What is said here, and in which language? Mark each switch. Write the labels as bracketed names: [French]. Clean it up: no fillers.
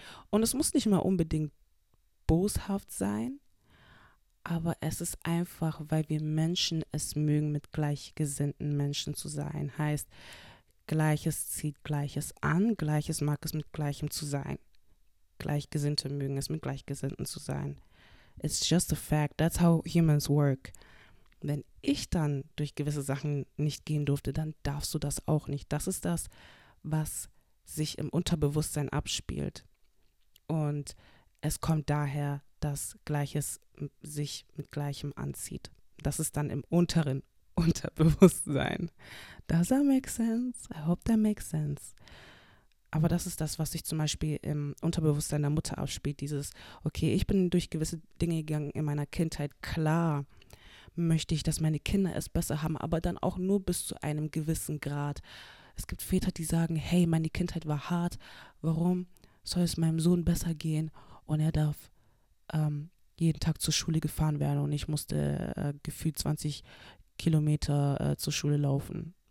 [German] Und es muss nicht mal unbedingt boshaft sein, aber es ist einfach, weil wir Menschen es mögen, mit gleichgesinnten Menschen zu sein. Heißt, Gleiches zieht Gleiches an, Gleiches mag es mit Gleichem zu sein. Gleichgesinnte mögen es, mit Gleichgesinnten zu sein. [English] It's just a fact, that's how humans work. [German] Wenn ich dann durch gewisse Sachen nicht gehen durfte, dann darfst du das auch nicht. Das ist das, was sich im Unterbewusstsein abspielt. Und es kommt daher, dass Gleiches sich mit Gleichem anzieht. Das ist dann im unteren Unterbewusstsein. [English] Does that make sense? I hope that makes sense. [German] Aber das ist das, was sich zum Beispiel im Unterbewusstsein der Mutter abspielt. Dieses, okay, ich bin durch gewisse Dinge gegangen in meiner Kindheit, klar, möchte ich, dass meine Kinder es besser haben, aber dann auch nur bis zu einem gewissen Grad. Es gibt Väter, die sagen, hey, meine Kindheit war hart, warum soll es meinem Sohn besser gehen und er darf jeden Tag zur Schule gefahren werden und ich musste gefühlt 20 Kilometer zur Schule laufen.